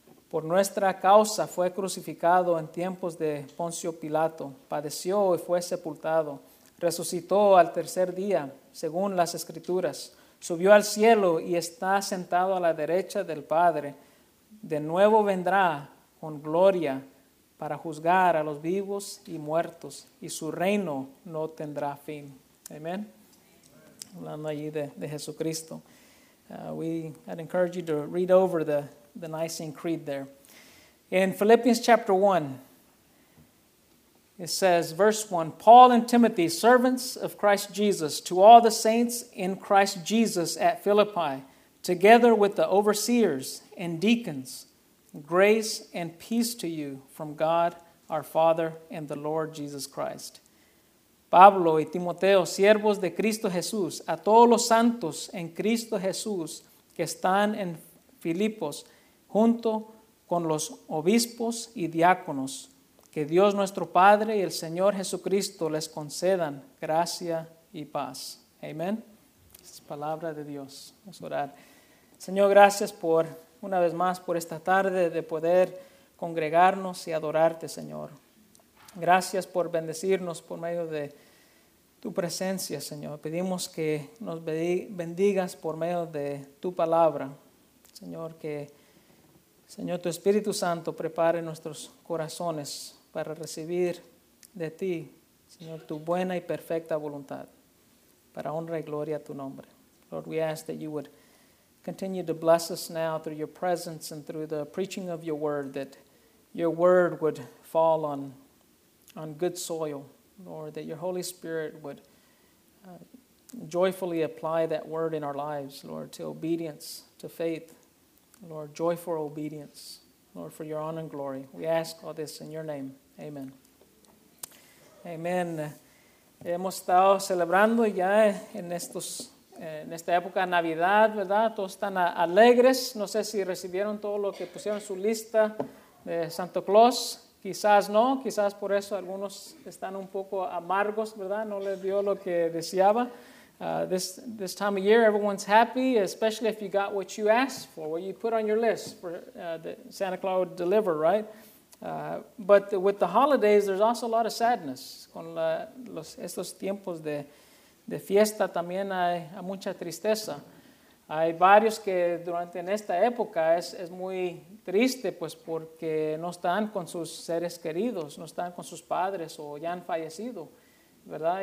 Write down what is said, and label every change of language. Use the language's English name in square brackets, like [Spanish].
[Spanish] Por nuestra causa fue crucificado en tiempos de Poncio Pilato, padeció y fue sepultado, resucitó al tercer día, según las Escrituras, subió al cielo y está sentado a la derecha del Padre. De nuevo vendrá con gloria para juzgar a los vivos y muertos, y su reino no tendrá fin. Amen. Hablando allí de Jesucristo. [English] I'd encourage you to read over the Nicene Creed there. In Philippians chapter 1, it says, verse 1, Paul and Timothy, servants of Christ Jesus, to all the saints in Christ Jesus at Philippi, together with the overseers and deacons, grace and peace to you from God, our Father, and the Lord Jesus Christ. [Spanish] Pablo y Timoteo, siervos de Cristo Jesús, a todos los santos en Cristo Jesús que están en Filipos, junto con los obispos y diáconos, que Dios nuestro Padre y el Señor Jesucristo les concedan gracia y paz. Amén. Esa es palabra de Dios. Vamos a orar. Señor, gracias por, una vez más, por esta tarde de poder congregarnos y adorarte, Señor. Gracias por bendecirnos por medio de tu presencia, Señor. Pedimos que nos bendigas por medio de tu palabra. Señor, que, Señor, tu Espíritu Santo prepare nuestros corazones para recibir de ti, Señor, tu buena y perfecta voluntad, para honra y gloria a tu nombre. [English] Lord, we ask that you would continue to bless us now through your presence and through the preaching of your word, that your word would fall on good soil, Lord, that your Holy Spirit would joyfully apply that word in our lives, Lord, to obedience, to faith, Lord, joyful obedience, Lord, for your honor and glory. We ask all this in your name. Amen. Amen. [Spanish] Hemos estado celebrando ya en esta época de Navidad, ¿verdad? Todos están alegres. No sé si recibieron todo lo que pusieron en su lista de Santa Claus. Quizás no, quizás por eso algunos están un poco amargos, ¿verdad? No les dio lo que deseaba. [English] This time of year, everyone's happy, especially if you got what you asked for, what you put on your list for that Santa Claus would deliver, right? But with the holidays, there's also a lot of sadness. [Spanish] Con estos tiempos de fiesta también hay mucha tristeza. Hay varios que durante en esta época es muy triste, pues porque no están con sus seres queridos, no están con sus padres o ya han fallecido, ¿verdad?